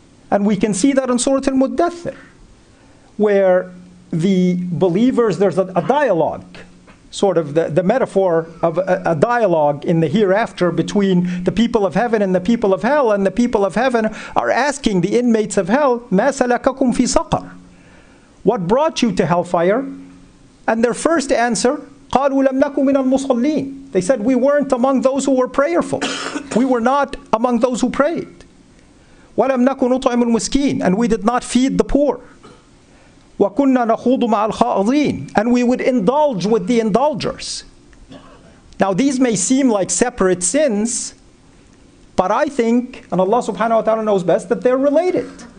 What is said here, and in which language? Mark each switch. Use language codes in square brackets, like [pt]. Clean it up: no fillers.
[en] And we can see that in Surah Al-Muddathir, where the believers, there's a dialogue, sort of the metaphor of a dialogue in the hereafter between the people of heaven and the people of hell, and the people of heaven are asking the inmates of hell, [ar] مَا سَلَكَكُمْ فِي سَقَرْ? [en] What brought you to hellfire? And their first answer, [ar] قَالُوا لَمْ نَكُمْ مِنَ الْمُصَلِّينَ. [en] They said, we weren't among those who were prayerful. We were not among those who prayed. [ar] وَلَمْ نَكُمْ نُطْعِمُ الْمُسْكِينَ. [en] And we did not feed the poor. [ar] وَكُنَّا نَخُوضُ مَعَ الْخَاضِينَ. [en] And we would indulge with the indulgers. Now these may seem like separate sins, but I think, and Allah subhanahu wa ta'ala knows best, that they're related.